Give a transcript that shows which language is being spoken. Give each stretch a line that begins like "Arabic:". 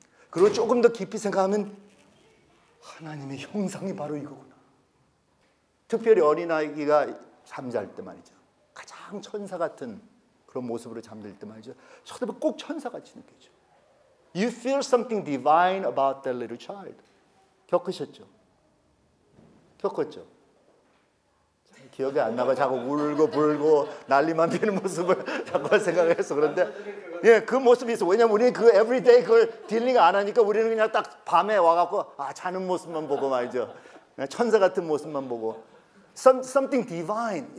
Korean: 그리고 조금 더 깊이 생각하면 하나님의 형상이 바로 이거구나. 특별히 어린아이가 잠잘 때 말이죠. 가장 천사 같은 그런 모습으로 잠들 때 말이죠. 쳐다보면 꼭 천사같이 느껴져.
English: You feel something divine about that little child.
Korean: 겪으셨죠? 겪었죠? 기억이 안 나고 자꾸 울고 불고 난리만 피는 모습을 자꾸 생각해서 그런데 예, 그 모습이 있어. 왜냐면 우리는 그 에브리데이 그걸 딜링 안 하니까 우리는 그냥 딱 밤에 와갖고 아 자는 모습만 보고 말이죠. 그냥 천사 같은 모습만 보고
English: something divine.